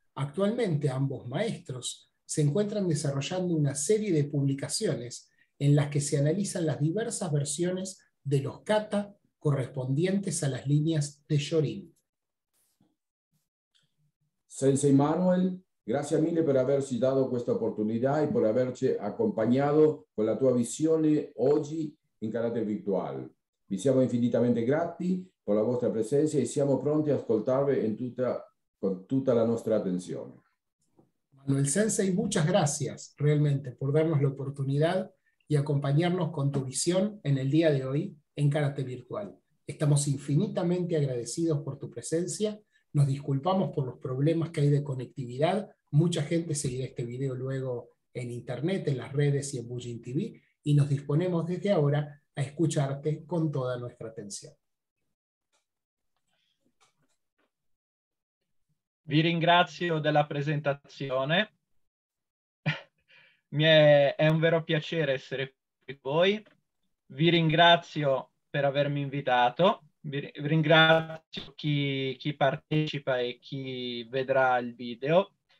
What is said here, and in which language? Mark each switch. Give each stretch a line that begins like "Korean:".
Spanish: Actualmente, ambos maestros se encuentran desarrollando una serie de publicaciones en las que se analizan las diversas versiones de los kata correspondientes a las líneas de Shorin.
Italian: Sensei Manuel, grazie mille per averci dato questa opportunità e per averci accompagnato con la tua visione oggi in carattere virtuale. Vi siamo infinitamente grati per la vostra presenza e siamo pronti ad ascoltarvi in tutta, con tutta la nostra attenzione.
Spanish: Manuel Sensei, muchas gracias realmente por darnos la oportunidad y acompañarnos con tu visión en el día de hoy en Karate Virtual. Estamos infinitamente agradecidos por tu presencia. Nos disculpamos por los problemas que hay de conectividad. Mucha gente seguirá este video luego en internet, en las redes y en Bujin TV. Y nos disponemos desde ahora a escucharte con toda nuestra atención.
Italian: Vi ringrazio della presentazione. È un vero piacere essere qui con voi. Vi ringrazio per avermi invitato. Vi ringrazio chi partecipa e chi vedrà il video.